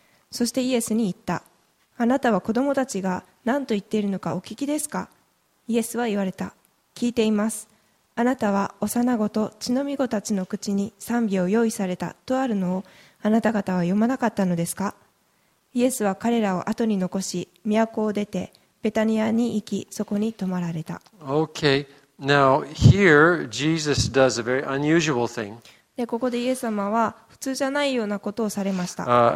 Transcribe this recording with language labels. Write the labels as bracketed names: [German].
[Japanese] そしてイエスに言った。あなたは子供たちが何と言っているのかお聞きですか？イエスは言われた。聞いています。あなたは幼子と血のみ子たちの口に賛美を用意されたとあるのをあなた方は読まなかったのですか？イエスは彼らを後に残し都を出てベタニアに行きそこに泊まられた。 [English] Okay. Now, here, Jesus does a very unusual thing. [Japanese] で、ここでイエス様は普通じゃないようなことをされました。